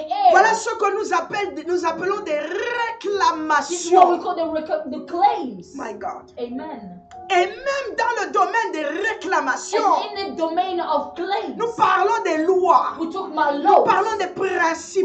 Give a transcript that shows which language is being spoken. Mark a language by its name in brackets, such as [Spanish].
[French] Voilà ce que nous appelons des réclamations. [English] This is what we call the claims. My God. Amen. [French] Et même dans le domaine des réclamations, [English] in the domain of claims, [French] nous parlons des lois, [English] we talk about laws, [French] nous parlons des principes,